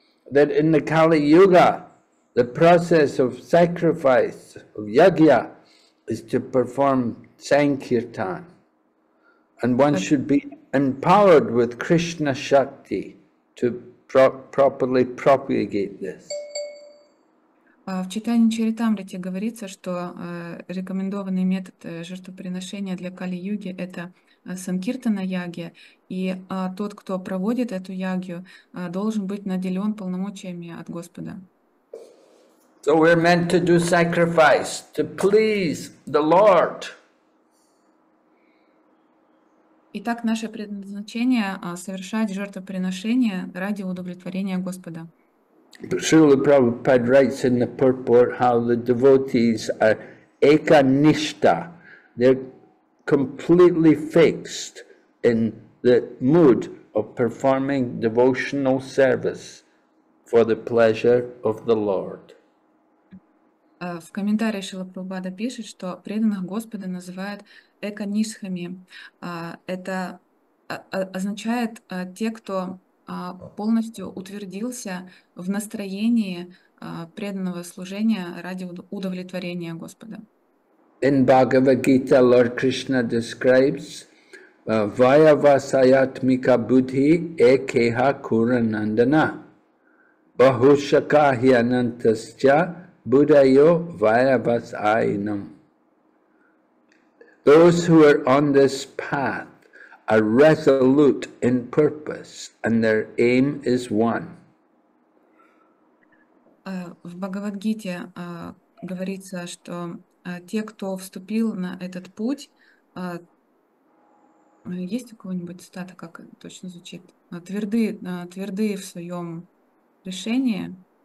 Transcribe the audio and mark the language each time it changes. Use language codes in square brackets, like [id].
[en] That in the Kali Yuga, the process of sacrifice, of yajna, is to perform sankirtan. And one should be empowered with Krishna Shakti to properly propagate this. [ru] В читании Чаритамрити говорится, что рекомендованный метод жертвоприношения для Кали-юги — это санкиртана-яги, и тот, кто проводит эту ягью, должен быть наделен полномочиями от Господа. [en] So we're meant to do sacrifice to please the Lord. [ru] Итак, наше предназначение — совершать жертвоприношение ради удовлетворения Господа. [en] Srila Prabhupada writes in the purport how the devotees are ekanishta. They're completely fixed in the mood of performing devotional service for the pleasure of the Lord. [ru] В комментарии Шрила Прабхупада пишет, что преданных Господа называют эканишхами. Это означает те, кто полностью утвердился в настроении преданного служения ради удовлетворения Господа. [en] In Bhagavad Gita, Lord Krishna describes [sa] Vayavasayatmika buddhi ekeha kura nandana bahushaka hyanantascha buddhayo vayavasayinam. [en] Those who are on this path are resolute in purpose, and their aim is one. [ru] В Бхагавадгите говорится, что те, кто вступил на этот путь, есть у кого-нибудь цитата, как точно звучит? Тверды в своем решении.